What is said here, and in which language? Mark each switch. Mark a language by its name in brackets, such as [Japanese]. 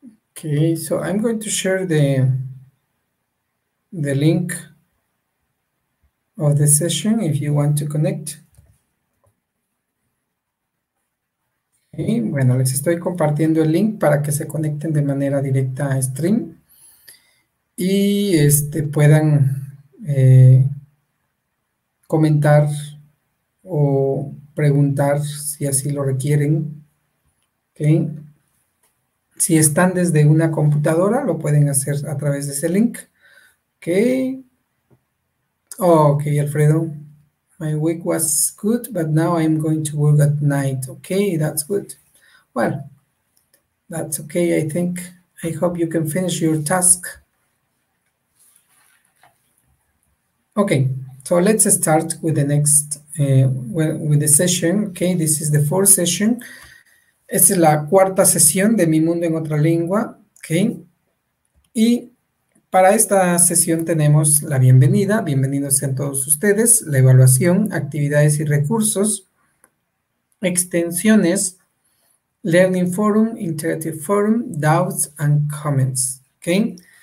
[English] Okay, so I'm going to share the link of the session if you want to connect. [Spanish] Okay, bueno, les estoy compartiendo el link para que se conecten de manera directa a stream y puedan comentar o preguntar si así lo requieren. Okay. Si están desde una computadora, lo pueden hacer a través de ese link. [English] Ok. Ok, Alfredo. My week was good, but now I'm going to work at night. Ok, that's good. Well, that's okay, I think. I hope you can finish your task. Ok, so let's start with the next, with the session. Ok, this is the fourth session. [Spanish] Esta es la cuarta sesión de Mi Mundo en Otra Lengua, ¿ok? Y para esta sesión tenemos la bienvenida, bienvenidos sean todos ustedes, la evaluación, actividades y recursos, extensiones, Learning Forum, Interactive Forum, Doubts and Comments, ¿ok?